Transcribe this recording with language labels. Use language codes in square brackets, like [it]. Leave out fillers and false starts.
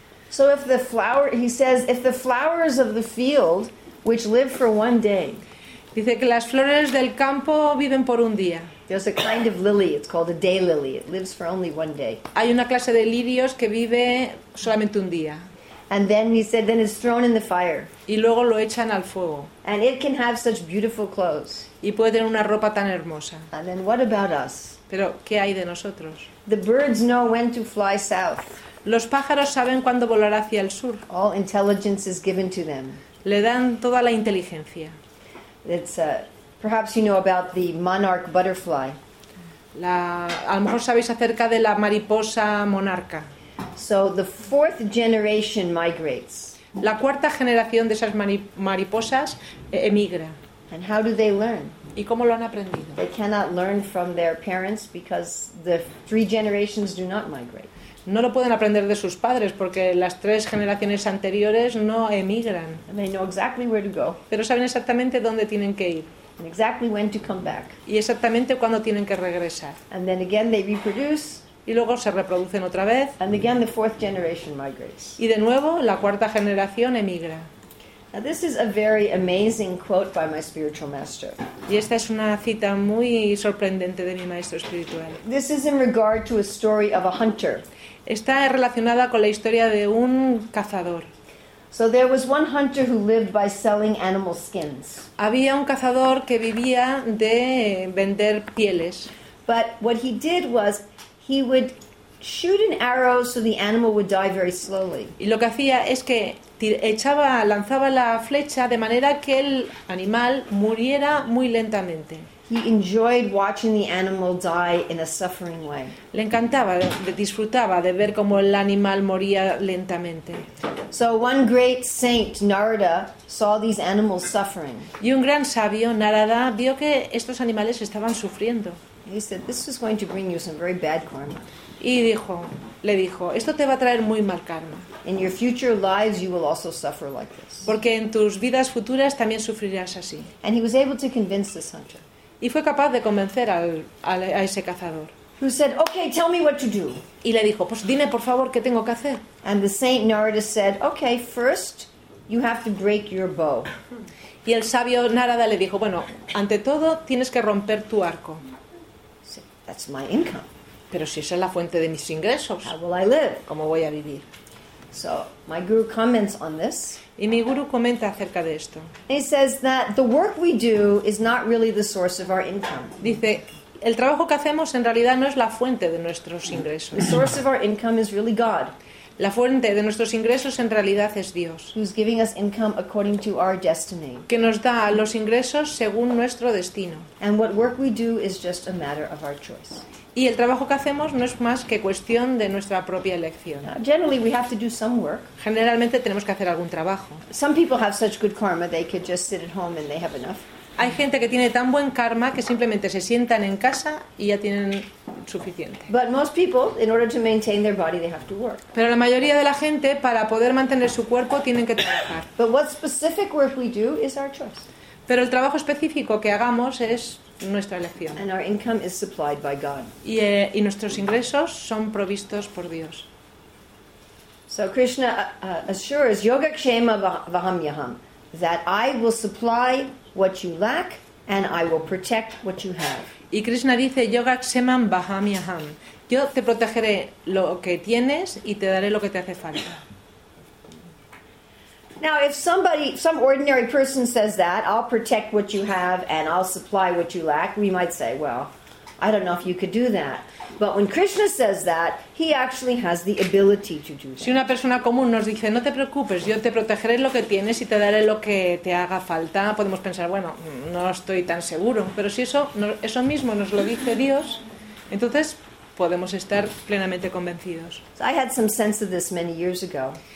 [en] So if the flower, he says, if the flowers of the field, which live for one day. [es] Dice que las flores del campo viven por un día. [en] There's a kind of lily, it's called a day lily. It lives for only one day. [es] Hay una clase de lirios que vive solamente un día. [en] And then he said, then it's thrown in the fire. [es] Y luego lo echan al fuego. [en] And it can have such beautiful clothes. [es] Y puede tener una ropa tan hermosa. [en] And then what about us? [es] Pero ¿qué hay de nosotros? [en] The birds know when to fly south. [es] Los pájaros saben cuándo volar hacia el sur. [en] All intelligence is given to them. [es] Le dan toda la inteligencia. [en] It's perhaps you know about the monarch butterfly. [es] A lo mejor sabéis acerca de la mariposa monarca. [en] So the fourth generation migrates. [es] La cuarta generación de esas mariposas emigra. [en] And how do they learn? [es] ¿Y cómo lo han aprendido? [en] They cannot learn from their parents because the three generations do not migrate. [es] No lo pueden aprender de sus padres porque las tres generaciones anteriores no emigran. [en] They know exactly where to go. [es] Pero saben exactamente dónde tienen que ir. [en] And exactly when to come back. [es] Y exactamente cuándo tienen que regresar. [en] And then again they reproduce. [es] Y luego se reproducen otra vez. [en] And again the fourth generation migrates. [es] Y de nuevo la cuarta generación emigra. [en] Now this is a very amazing quote by my spiritual master. [es] Y esta es una cita muy sorprendente de mi maestro espiritual. [en] This is in regard to a story of a hunter. [es] Está relacionada con la historia de un cazador. [en] So there was one hunter who lived by selling animal skins. [es] Había un cazador que vivía de vender pieles. [en] But what he did was he would shoot an arrow so the animal would die very slowly. [es] Y lo que hacía es que lanzaba la flecha de manera que el animal muriera muy lentamente. [en] He enjoyed watching the animal die in a suffering way. [es] Le encantaba, disfrutaba de ver cómo el animal moría lentamente. [en] So one great saint, Narada, saw these animals suffering. [es] Y un gran sabio, Narada, vio que estos animales estaban sufriendo. [en] He said, "This is going to bring you some very bad karma." [es] Y dijo, le dijo, esto te va a traer muy mal karma. [en] In your future lives you will also suffer like this. [es] Porque en tus vidas futuras también sufrirás así. [en] And he was able to convince this hunter. [es] Y fue capaz de convencer a ese cazador. [en] Who said, "Okay, tell me what to do." [es] Y le dijo, "Pues dime, por favor, qué tengo que hacer." [en] And the saint Narada said, "Okay, first you have to break your bow." [es] Y el sabio Narada le dijo, "Bueno, ante todo tienes que romper tu arco." [en] So, that's my income. [es] Pero si esa es la fuente de mis ingresos, [en] how will I live? [es] ¿Cómo voy a vivir? [en] So, my guru comments on this. [es] Y mi guru comenta acerca de esto. [en] He says that the work we do is not really the source of our income. [es] Dice, el trabajo que hacemos en realidad no es la fuente de nuestros ingresos. [en] The source of our income is really God. [es] La fuente de nuestros ingresos en realidad es Dios. [en] Who's giving us income according to our destiny. [es] Que nos da los ingresos según nuestro destino. [en] And what work we do is just a matter of our choice. [es] Y el trabajo que hacemos no es más que cuestión de nuestra propia elección. [en] Now, generally we have to do some work. [es] Generalmente tenemos que hacer algún trabajo. [en] Some people have such good karma they could just sit at home and they have enough. [es] Hay gente que tiene tan buen karma que simplemente se sientan en casa y ya tienen suficiente. [en] But most people, in order to maintain their body, they have to work. [es] Pero la mayoría de la gente, para poder mantener su cuerpo, tienen que trabajar. [en] But what specific work we do is our choice. [es] Pero el trabajo específico que hagamos es nuestra elección. [en] And our income is supplied by God. [es] Y nuestros ingresos son provistos por Dios. [en] So Krishna assures Yogakshema Vahamyaham that I will supply what you lack and I will protect what you have. [es] Y Krishna dice Yogakshemam Vahamyaham. Yo te protegeré lo que tienes y te daré lo que te hace falta. [en] Now if somebody, some ordinary person says that, I'll protect what you have and I'll supply what you lack, we might say, well, I don't know if you could do that. But when Krishna says that, he actually has the ability to do that. [es] Si una persona común nos dice, no te preocupes, yo te protegeré lo que tienes y te daré lo que te haga falta, podemos pensar, bueno, no estoy tan seguro. Pero si eso mismo nos lo dice Dios, entonces podemos estar plenamente convencidos. [en] So I had some sense of this many years ago.